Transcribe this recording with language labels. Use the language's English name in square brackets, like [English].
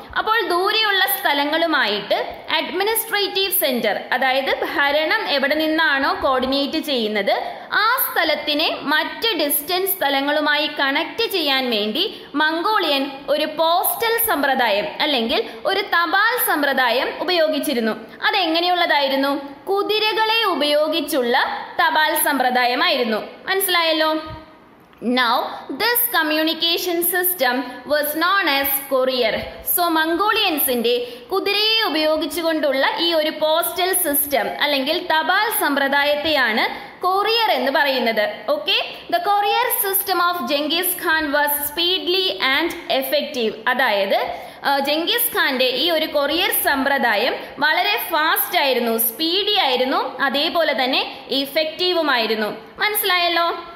[Malayalam] അപ്പോൾ ദൂരെയുള്ള സ്ഥലങ്ങളുമായിട്ട് administrative centre, അതായത് ഭരണം എവിടെ നിന്നാണോ കോർഡിനേറ്റ് ചെയ്യുന്നത്, ആ സ്ഥലത്തിനെ മറ്റ് ഡിസ്റ്റൻസ് സ്ഥലങ്ങളുമായി കണക്ട് ചെയ്യാൻ വേണ്ടി മംഗോളിയൻ ഒരു പോസ്റ്റൽ സമ്പ്രദായം അല്ലെങ്കിൽ ഒരു തപാൽ സമ്പ്രദായം ഉപയോഗിച്ചിരുന്നു. അതെങ്ങനെയുള്ളതായിരുന്നു? കുതിരകളെ ഉപയോഗിച്ചുള്ള തപാൽ സമ്പ്രദായമായിരുന്നു. മനസ്സിലായല്ലോ? [English] Now, this communication system was known as courier. [Malayalam] So, Mongolians ഇന്റെ കുതിരയെ ഉപയോഗിച്ചുകൊണ്ടുള്ള ഈ ഒരു പോസ്റ്റൽ സിസ്റ്റം അല്ലെങ്കിൽ തപാൽ സമ്പ്രദായത്തെയാണ് കൊറിയർ എന്ന് പറയുന്നത്. [English] Okay, the courier system of Genghis Khan was speedly and effective. [Malayalam] അതായത് ജെങ്കിസ് ഖാന്റെ ഈ ഒരു കൊറിയർ സമ്പ്രദായം വളരെ ഫാസ്റ്റ് ആയിരുന്നു, സ്പീഡി ആയിരുന്നു, അതേപോലെ തന്നെ ഇഫക്റ്റീവുമായിരുന്നു. മനസ്സിലായല്ലോ?